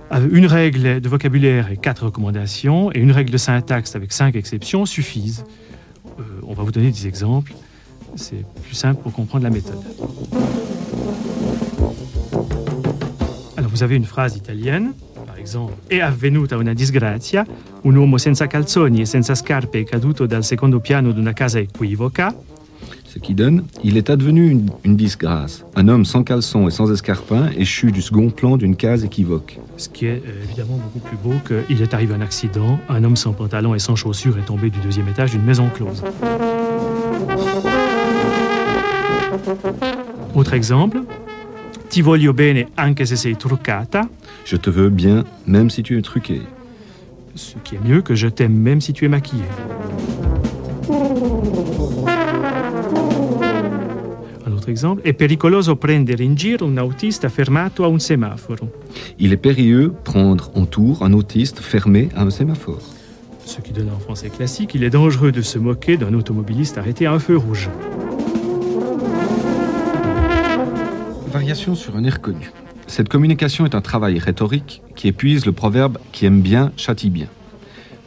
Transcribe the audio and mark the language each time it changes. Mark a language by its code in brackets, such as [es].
[fr] Une règle de vocabulaire et 4 recommandations et une règle de syntaxe avec 5 exceptions suffisent. On va vous donner des exemples. C'est plus simple pour comprendre la méthode. Alors, vous avez une phrase italienne. Par exemple, [it] è avvenuta una disgrazia, un uomo senza calzoni e senza scarpe è caduto dal secondo piano d'una casa equivoca. [fr] Ce qui donne, il est advenu une disgrâce. Un homme sans caleçon et sans escarpins est chu du second plan d'une case équivoque. Ce qui est évidemment beaucoup plus beau que il est arrivé un accident, un homme sans pantalon et sans chaussures est tombé du deuxième étage d'une maison close. Autre exemple, [it] ti voglio bene anche se sei truccata. [fr] Je te veux bien, même si tu es truqué. Ce qui est mieux que je t'aime, même si tu es maquillé. Un autre exemple. [it] È pericoloso prendere in giro un autista fermato a un semaforo. [fr] Il est périlleux prendre en tour un autiste fermé à un sémaphore. Ce qui donne en français classique, il est dangereux de se moquer d'un automobiliste arrêté à un feu rouge. Variation sur un air connu. Cette communication est un travail rhétorique qui épuise le proverbe « qui aime bien, châtie bien ».